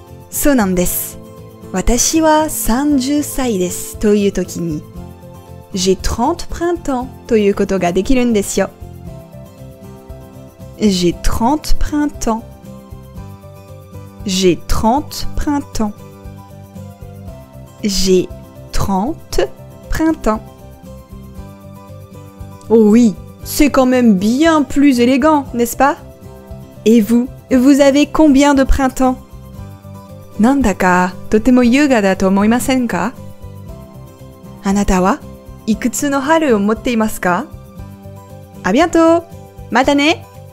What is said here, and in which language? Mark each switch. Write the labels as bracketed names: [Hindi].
[Japanese] そうなんです。私は30歳ですというときに、 [French] J'ai 30 printemps [Japanese] ということができるんですよ。 [French] J'ai 30 printemps. J'ai 30 printemps. J'ai 30 printemps. Oh oui, c'est quand même bien plus élégant, n'est-ce pas? Et vous, vous avez combien de printemps? [Japanese] なんだかとても優雅だと思いませんか？あなたはいくつの春を持っていますか？ [French] À bientôt! [Japanese] またね！